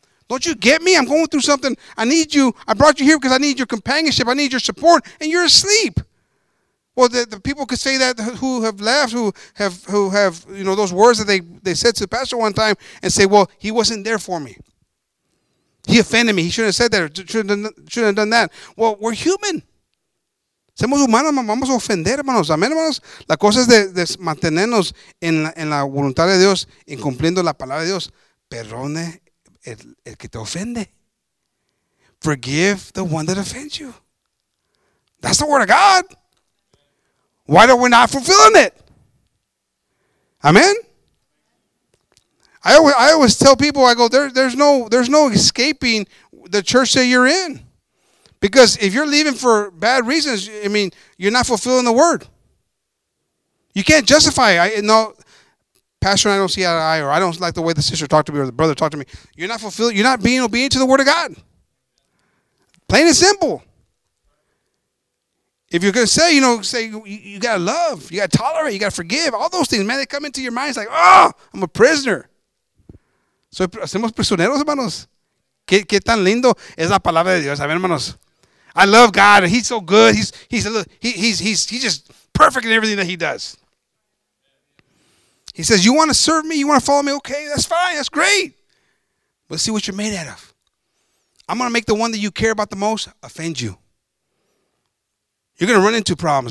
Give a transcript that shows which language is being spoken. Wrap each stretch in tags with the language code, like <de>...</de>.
<en>Don't you get me? I'm going through something. I need you. I brought you here because I need your companionship. I need your support. And you're asleep. Well, the people could say that who have left, who have you know, those words that they said to the pastor one time and say, well, he wasn't there for me. He offended me. He shouldn't have said that or shouldn't have done that. Well, we're human.</en> <es>Somos humanos, vamos a ofender, hermanos. Amén, hermanos. La cosa es de mantenernos en la voluntad de Dios, incumpliendo la palabra de Dios. Perdone el que te ofende.</es> <en>Forgive the one that offends you. That's the word of God. Why are we not fulfilling it? Amen. I always tell people, I go, there's no escaping the church that you're in. Because if you're leaving for bad reasons, I mean, you're not fulfilling the word. You can't justify it. No, Pastor, I don't see eye to eye, or I don't like the way the sister talked to me or the brother talked to me. You're not being obedient to the word of God. Plain and simple. If you're going to say, you know, say you got to love, you got to tolerate, you got to forgive, all those things, man, they come into your mind. It's like, oh, I'm a prisoner.</en> <es>¿Hacemos prisioneros, hermanos? ¿Qué tan lindo es la palabra de Dios? A ver, hermanos.</es> <en>I love God. He's so good. He's just perfect in everything that he does. He says, you want to serve me? You want to follow me? Okay, that's fine. That's great. Let's see what you're made out of. I'm going to make the one that you care about the most offend you. You're going to run into problems.</en>